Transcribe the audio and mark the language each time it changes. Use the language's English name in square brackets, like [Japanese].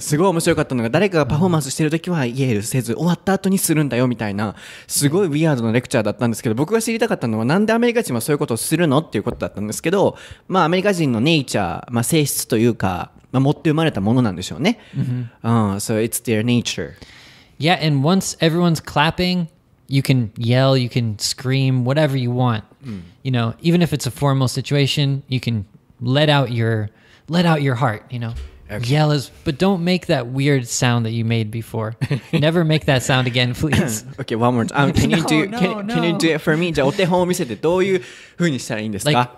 [Japanese] すごい面白かったのが、誰かがパフォーマンスしてるときは、イエールせず、終わった後にするんだよみたいな、すごいウィアードなレクチャーだったんですけど、僕が知りたかったのは、なんでアメリカ人はそういうことをするのっていうことだったんですけど、まあ、アメリカ人のネイチャー、まあ、性質というか、まあ、持って生まれたものなんでしょうね。 [English] So it's their nature. Yeah, and once everyone's clapping, you can yell, you can scream, whatever you want. You know, even if it's a formal situation, you can let out your heart, you know? Okay. Yell is, but don't make that weird sound that you made before. Never make that sound again, please. Okay, one more time. Can you do it for me? [Japanese] じゃあお手本を見せてどういうふうにしたらいいんですか?